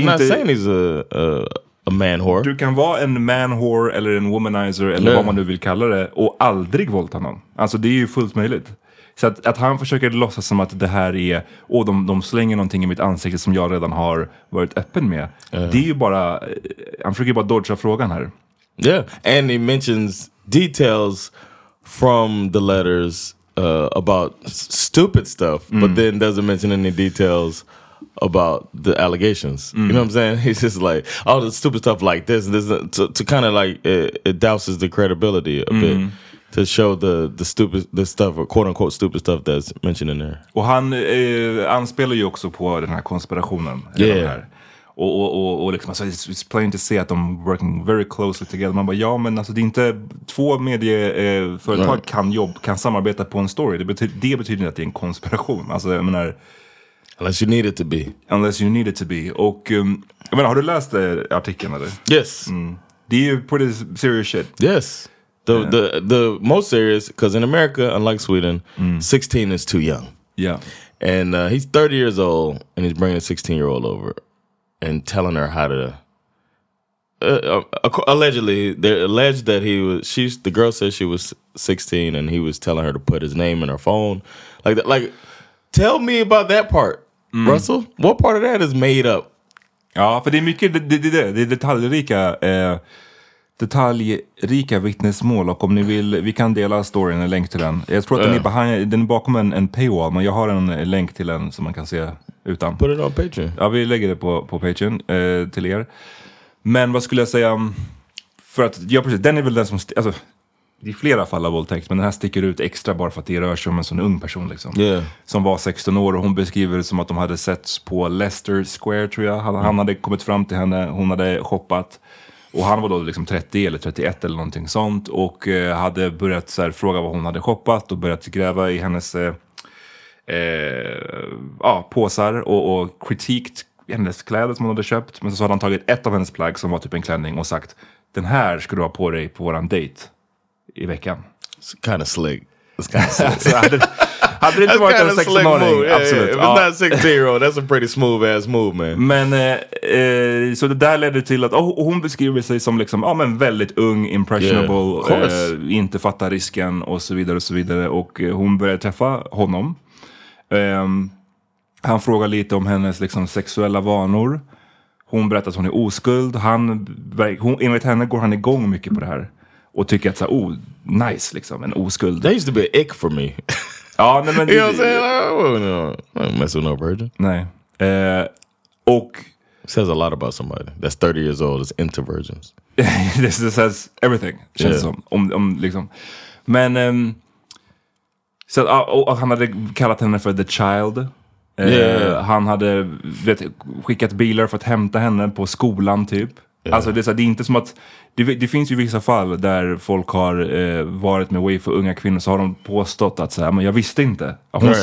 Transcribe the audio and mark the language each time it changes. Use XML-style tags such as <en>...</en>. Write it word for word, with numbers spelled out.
<en>They're not saying he's a, a, a man whore.</en> <sv>Du kan vara en</sv> <en>man whore</en> <sv>eller en womanizer eller yeah. vad man nu vill kalla det och aldrig våldta någon. Alltså det är ju fullt möjligt. Så att, att han försöker låtsas som att det här är, åh, de, de slänger någonting i mitt ansikte som jag redan har varit öppen med.</sv> <en>Yeah.</en> <sv>Det är ju bara, han försöker bara dodga frågan här.</sv> <en>Yeah, and he mentions details from the letters uh, about s- stupid stuff, mm. but then doesn't mention any details about the allegations. Mm. You know what I'm saying? He's just like, all the stupid stuff like this, this to, to kind of like, it, it douses the credibility a mm. bit. To show the, the stupid the stuff, or quote-unquote stupid stuff that's mentioned in there.</en> <sv>Och han eh, anspelar ju också på den här konspirationen. Yeah. Den här. Och, och, och, och liksom, alltså,</sv> <en>it's, it's plain to see</en> <sv>att de</sv> <en>working very closely together.</en> <sv>Man bara, ja men alltså det är inte, två medieföretag</sv> <en>right.</en> <sv>kan jobb, kan samarbeta på en story. Det betyder, det betyder inte att det är en konspiration. Alltså jag menar...</sv> <en>Unless you need it to be. Unless you need it to be.</en> <sv>Och um, jag menar, har du läst eh, artikeln eller?</sv> <en>Yes. Mm.</en> <sv>Det är ju</sv> <en>pretty serious shit. Yes. The, yeah. the, the most serious, because in America, unlike Sweden, mm. sixteen is too young. Yeah. And uh, he's thirty years old and he's bringing a sixteen-year-old over. And telling her how to uh, uh, uh, allegedly, they alleged that he was. She's the girl said she was sixteen, and he was telling her to put his name in her phone. Like that. Like, tell me about that part, mm. Russell. What part of that is made up?</en> <sv>Ja, för det är mycket det det det, det är detaljrika. Eh, detaljrika vittnesmål, och om ni vill, vi kan dela storyn, en länk till den. Jag tror att den är, behind, den är bakom en, en paywall, men jag har en länk till den som man kan se utan. Put it on Patreon. Ja, vi lägger det på, på Patreon eh, till er. Men vad skulle jag säga, för att, ja precis, den är väl den som, alltså, det är flera fall av våldtäkt, men den här sticker ut extra bara för att det rör sig om en sån ung person liksom. Yeah. Som var sexton år, och hon beskriver det som att de hade setts på Leicester Square, tror jag. Han, mm. han hade kommit fram till henne, hon hade shoppat. Och han var då liksom trettio eller trettioett eller någonting sånt. Och eh, hade börjat så här, fråga vad hon hade shoppat. Och börjat gräva i hennes eh, eh, ja, påsar. Och, och kritikt hennes kläder som hon hade köpt. Men så hade han tagit ett av hennes plagg som var typ en klänning. Och sagt, den här ska du ha på dig på våran dejt i veckan.</sv> <en>It's kind of slick. It's kind of slick.</en> <sv>Så hade, hade det inte varit en sextonåring.</sv> <en>Yeah, absolut. Yeah, yeah. If it's not a sixteen-year-old, that's a pretty smooth ass move, man.</en> <sv>Men eh, eh, så det där ledde till att oh, hon beskriver sig som liksom, ja, ah, men väldigt ung, impressionable,</sv> <en>yeah,</en> <sv>eh, inte fattar risken och så vidare och så vidare. Och eh, hon började träffa honom. Eh, han frågar lite om hennes liksom sexuella vanor. Hon berättar att hon är oskuld. Han, hon, enligt henne går han igång mycket på det här. Och tycker att så här, oh, nice liksom, en oskuld.</sv> <en>That used to be an ick for me.</en> <sv>Ja, nej, men</sv> <en>det, you know what I'm saying? Oh, no. I don't mess with no virgin.</en> <sv>Nej. Eh, och</sv> <en>it says a lot about somebody that's thirty years old is into virgins. This, this says everything.</en> <sv>Känns</sv> <en>yeah.</en> <sv>som om, om liksom. Men um, så att, och, och han hade kallat henne för</sv> <en>the child. Eh, yeah.</en> <sv>Han hade vet, skickat bilar för att hämta henne på skolan typ. Alltså det är, så här, det är inte som att det, det finns ju vissa fall där folk har eh, varit med way för unga kvinnor, så har de påstått att så här, men jag visste inte. Hon</sv> <en>right.</en>